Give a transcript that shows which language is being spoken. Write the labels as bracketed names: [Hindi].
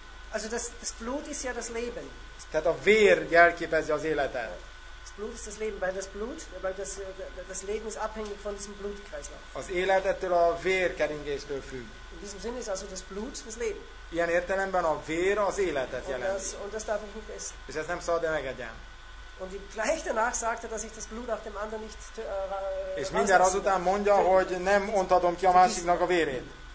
[German] Also das Blut ist ja das Leben. [Hungarian] Tehát a vér jelképezi az életet. [German] Das Blut ist das Leben, weil das Blut, weil das, das Leben ist abhängig von diesem Blutkreislauf. [Hungarian] Az élet ettől a vérkeringéstől függ. [German] In diesem Sinne ist also das Blut das Leben. [Hungarian] Ilyen értelemben a vér az életet jelenti. [German] Und das darf ich nicht essen. [Hungarian] És ezt nem szabad, de megegyem. [German] Und gleich danach sagte, dass ich das Blut auch dem anderen nicht [Hungarian] és mindjárt azután mondja, hogy nem ontadom ki a másiknak a vérét.